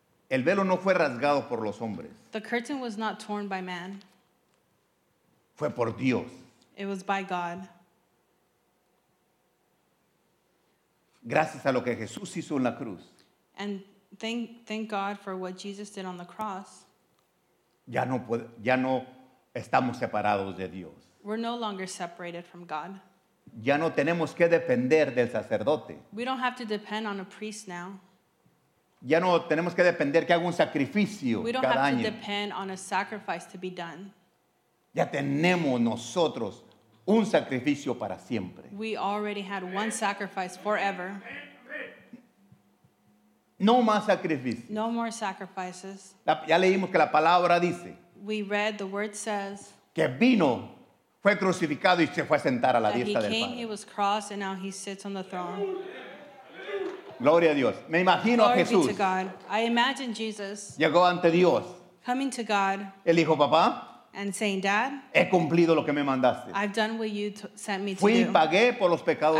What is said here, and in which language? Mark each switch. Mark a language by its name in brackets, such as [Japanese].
[Spanish] El velo no fue rasgado por los hombres. [English] The curtain was not torn by man. [Spanish] Fue por Dios. [English] It was by God. [Spanish] Gracias a lo que Jesús hizo en la cruz. [English] And thank God for what Jesus did on the cross. [Spanish] Ya no puede, ya no estamos separados de Dios. [English] We're no longer separated from God. [Spanish] Ya no tenemos que depender del sacerdote. [English] We don't have to depend on a priest now. [Spanish] Ya no tenemos que depender que haga un sacrificio cada año. [English] We don't have to depend on a sacrifice to be done. [Spanish] Ya tenemos nosotros un sacrificio para siempre. [English] We already had one sacrifice forever. [Spanish] No más sacrificios. [English] No more sacrifices. [Spanish] Ya leímos que la palabra dice. [English] We read, the word says. [Spanish] Que vino, fue crucificado y se fue a sentar a la diestra del Padre. [English] He came, he was crossed, and now he sits on the throne. [Spanish] Gloria a Dios. Me imagino [English] Glory [Spanish] a Jesús. [English] Glory be to God. I imagine Jesus. [Spanish] Llegó ante Dios. [English] Coming to God. [Spanish] El hijo papá. [English] And saying, Dad. [Spanish] He cumplido lo que me mandaste. [English] I've done what you sent me to [Spanish] Fui [English] do. [Spanish] Fui y pagué por los pecados